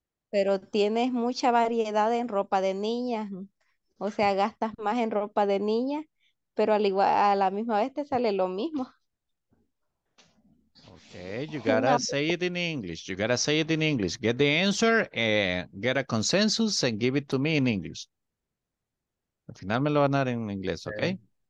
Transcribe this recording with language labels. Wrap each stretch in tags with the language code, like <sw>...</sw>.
<es>Pero tienes mucha variedad en ropa de niña. O sea, gastas más en ropa de niña, pero al igual, a la misma vez te sale lo mismo.</es> <en>Okay, you gotta say it in English. You gotta say it in English. Get the answer and get a consensus and give it to me in English.</en> <es>Al final me lo van a dar en inglés, okay?</es>